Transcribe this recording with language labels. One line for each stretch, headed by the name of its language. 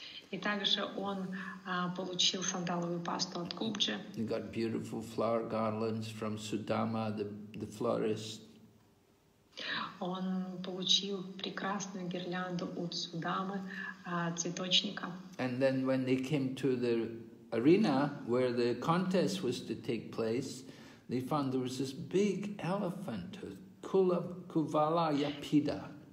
Russian: И также он получил сандаловую пасту от Кубджи.
English: He got beautiful flower garlands from Sudama, the florist.
Russian: Он получил прекрасную гирлянду от Судамы, цветочника.
English: And then when they came to the arena where the contest was to take place, they found there was this big elephant, Kuvala Yapida.